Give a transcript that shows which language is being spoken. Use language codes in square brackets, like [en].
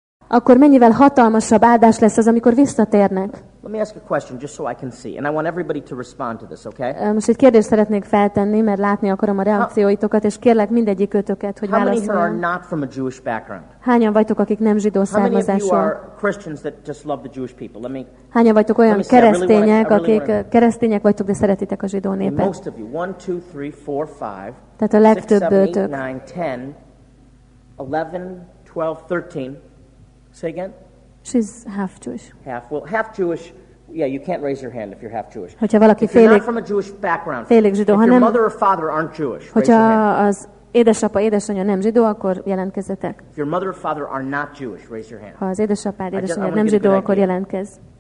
[hu] akkor mennyivel hatalmasabb áldás lesz az, amikor visszatérnek? [en] Let me ask a question just so I can see, and I want everybody to respond to this, okay? [hu] Most egy kérdést szeretnék feltenni, mert látni akarom a reakcióitokat, és kérlek mindegyikötöket, hogy válaszoljon. [en] How many here are not from a Jewish background? [hu] Hányan vagytok, akik nem zsidó származású? [en] How many of you are Christians that just love the Jewish people? Let me. [hu] Hányan vagytok olyan keresztények, akik keresztények vagytok, de szeretitek a zsidó népet? [en] Most of you, 1, 2, 3, 4, 5. [hu] Tehát a legtöbbötök. [en] 6, 7, 8, 9, 10, 11, 12, 13. Say again. She's half Jewish. Half. Well, half Jewish. Yeah, you can't raise your hand if you're half Jewish. [hu] Hogyha valaki félig. [en] If you're not from a Jewish background. [hu] Félig zsidó, ha nem. [en] If your mother or father aren't Jewish. [hu] Hogyha az édesapa, édesanyja nem zsidó, akkor jelentkezzetek. [en] If your mother or father are not Jewish, raise your hand. [hu] Ha az édesapád, édesanyja nem zsidó, akkor jelentkezz.